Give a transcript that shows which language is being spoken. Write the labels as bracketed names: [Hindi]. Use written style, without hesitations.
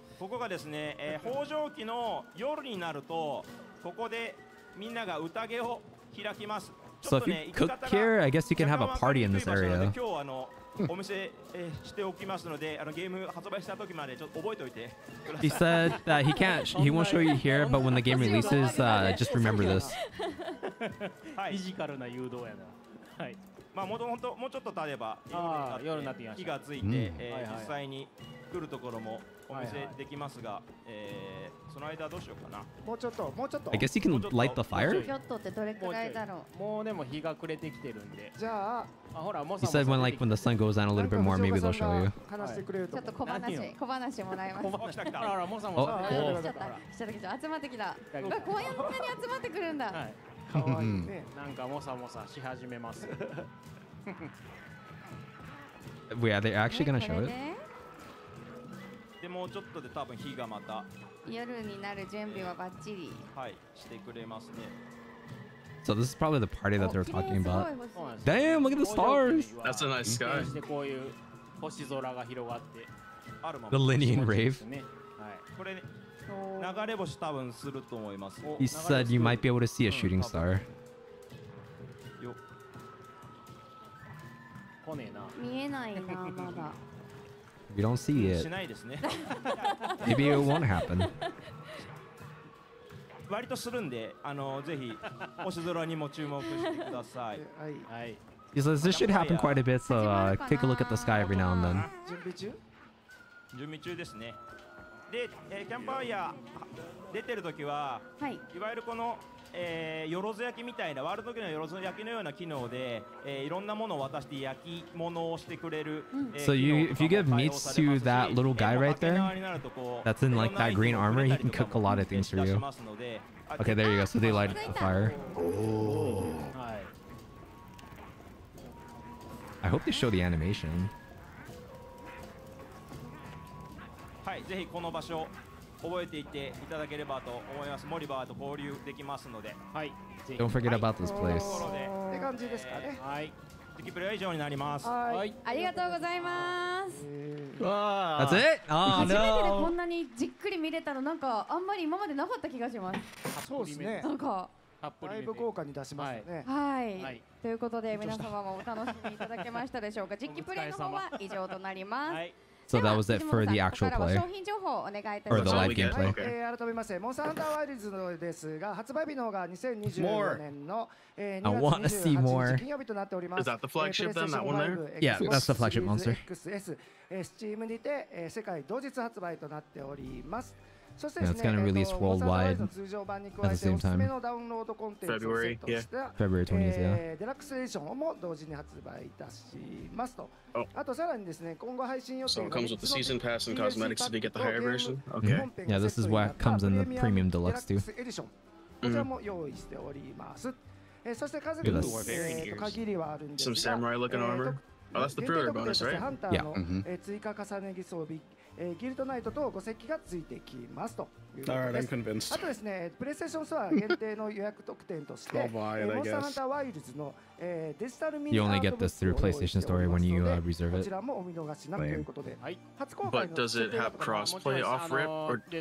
[Japanese] ここがですね、放浄期の夜になるとここでみんなが宴を開きます。 [English] So if you cook here, I guess you can have a party in this area. [Japanese] 今日あのお見せしておきますので、あのゲーム発売した時までちょっと覚えておいてください。 [English] He said that he can't, he won't show you here, but when the game releases, just remember this. [Japanese] はい。フィジカルな誘導やな。はい。まあ、もうちょっとたれば夜になって火がついて、実際に来るところもお見せできますが、はいはい、その間どうしようかな。もうちょっと、もうちょっと。 [English] I guess you can light the fire? [Japanese] ちょっとってどれくらいだろう。もうでも日が暮れてきてるんで。じゃあ、あほら、も [English] さ。He said when, like, when the sun goes down a little bit more, maybe they'll show you. [Japanese] ちょっと小話もらいます。来た来た。ほら、もさもさ。ちょっと来た来た。集まってきた。こういう中に集まってくるんだ。かわいいね。なんかモサモサし始めます。 [English] Wait, are they actually gonna show it? [Japanese] でもちょっとで多分火がまた夜になる準備はバッチリ。はい、してくれますね。 [English] So this is probably the party that they're talking about. Damn, look at the stars! That's a nice sky. [Japanese] でこういう星空が広がって。 [English] The Linian Rave. [Japanese] はい。これね。流れ星多分すると思います。 [English] He said you might be able to see a shooting star. [Japanese] 見えないな、まだ。 [English] We don't see it. [Japanese] しないですね。 [English] Maybe it won't happen. [Japanese] 割とするんで、ぜひ星空にも注目してください。はい。 [English] He says this should happen quite a bit, so take a look at the sky every now and then. [Japanese] 準備中？準備中ですね。で、キャンプファイヤー出てるときは、はい、いわゆるこの、よろず焼きみたいな、ワールド時のよろず焼きのような機能で、いろんなものを渡して焼き物をしてくれる。 [English] So you, if you give meat to that little guy right there, that's in like that green armor, he can cook a lot of things for you. Okay, there you go. So they lighted the fire. Oh. I hope they show the animation. [Japanese] はい、ぜひこの場所を覚えていていただければと思います。モリバーと交流できますので、はい。 [English] Don't forget about this place。 [Japanese] って感じですかね。はい。次プレイは以上になります。はい。ありがとうございます。 [English] That's it? Oh, no. [Japanese] 初めてでこんなにじっくり見れたのなんかあんまり今までなかった気がします。そうですね。なんか。ライブ効果に出しますね、はいはい、ということで皆様もお楽しみいただけましたでしょうか実機プレイの方は以上となります、はい、 [English] So that was it for the actual play [Japanese] ここからは商品情報をお願いいたします [English] Or the live gameplay、okay. [Japanese] 改めましてモンスターハンターワイルズですが発売日の方が2024年の2月28日金曜日となっております [English] Is that the flagship then that one there? Yeah, that's the flagship monster [Japanese] Steam にて世界同日発売となっておりますそしてですね、 [English] it's going to release worldwide at the same time. February, yeah. February 20th, yeah. [Japanese] デラックスエディションも同時に発売いたしますと。あとさらにですね、今後配信予定は。 [English] So it comes with the season pass and cosmetics if you get the higher version? Okay. Yeah, this is what comes in the premium deluxe too. [Japanese] デラックスエディションも用意しております。そして数々の限りはあるんですが。 [English] Some samurai looking armor? Oh, that's the pre-order bonus, right? Yeah. [Japanese] 追加重ね着装備。ギルドナイトと5席がついてきますと。 [English] Alright, I'm convinced. [Japanese] あとですね、プレイステーションストア限定の予約特典として、モンスターハンターワイルズのデジタルミニアートブックを購入しておりますので、こちらもお見逃しなくということで、初公開の。 [English] But does it have crossplay off rip or can